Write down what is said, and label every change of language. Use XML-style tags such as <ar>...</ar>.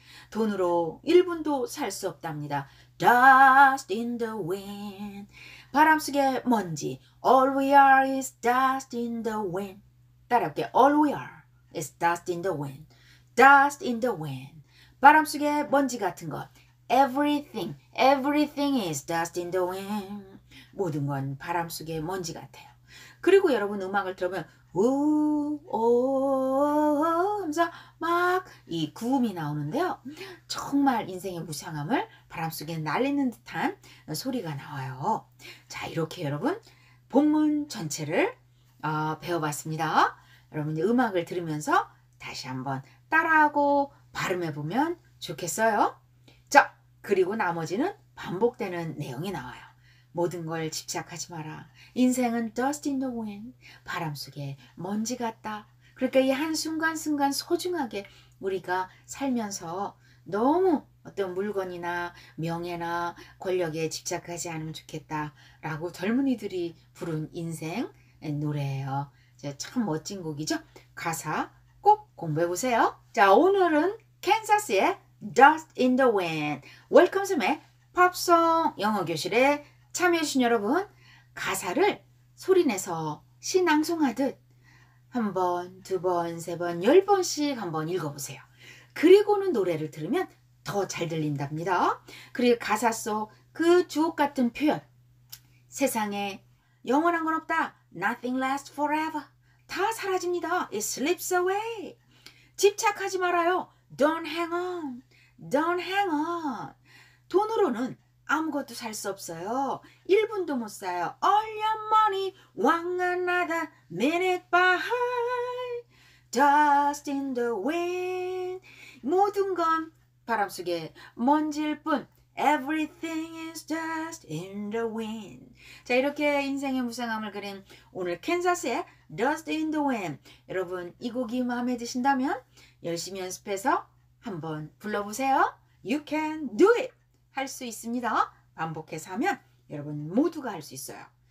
<ko>돈으로 1분도 살 수 없답니다.</ko> <en>Dust in the wind.</en> <ko>바람 속에 먼지.</ko> <en>All we are is dust in the wind.</en> <ko>따라올게.</ko> <en>All we are is dust in the wind. Dust in the wind.</en> <ko>바람 속에 먼지 같은 것.</ko> <en>Everything, everything is dust in the wind.</en> <ko>모든 건 바람 속에 먼지 같아요. 그리고 여러분 음악을 들으면 하면서 막 이 구음이 나오는데요. 정말 인생의 무상함을 바람 속에 날리는 듯한 소리가 나와요. 자, 이렇게 여러분 본문 전체를 배워봤습니다. 여러분 이제 음악을 들으면서 다시 한번 따라하고 발음해보면 좋겠어요. 자, 그리고 나머지는 반복되는 내용이 나와요. 모든 걸 집착하지 마라. 인생은</ko> <en>dust in the wind.</en> <ko>바람 속에 먼지 같다. 그러니까 이 한 순간순간 소중하게 우리가 살면서 너무 어떤 물건이나 명예나 권력에 집착하지 않으면 좋겠다라고 젊은이들이 부른 인생 노래예요. 참 멋진 곡이죠? 가사 꼭 공부해 보세요. 자, 오늘은 캔자스의 Dust in the Wind. 웰컴쌤의 팝송 영어 교실에 참여해주신 여러분, 가사를 소리내서 신앙송하듯 한 번, 두 번, 세 번, 열 번씩 한번 읽어보세요. 그리고는 노래를 들으면 더 잘 들린답니다. 그리고 가사 속 그 주옥 같은 표현, 세상에 영원한 건 없다.</ko> <en>Nothing lasts forever.</en> <ko>다 사라집니다.</ko> <en>It slips away. 집착하지 말아요. Don't hang on. Don't hang on.</en> <ko>돈으로는 아무것도 살 수 없어요. 1분도 못 사요.</ko> <en>All your money, one another minute by. Dust in the wind.</en> <ko>모든 건 바람 속에 먼지일 뿐.</ko> <en>Everything is dust in the wind.</en> <ko>자, 이렇게 인생의 무상함을 그린 오늘 캔자스의 Dust in the wind. 여러분, 이 곡이 마음에 드신다면 열심히 연습해서 한번 불러보세요.</ko> <en>You can do it.</en> <ko>할 수 있습니다. 반복해서 하면 여러분 모두가 할 수 있어요.</ko>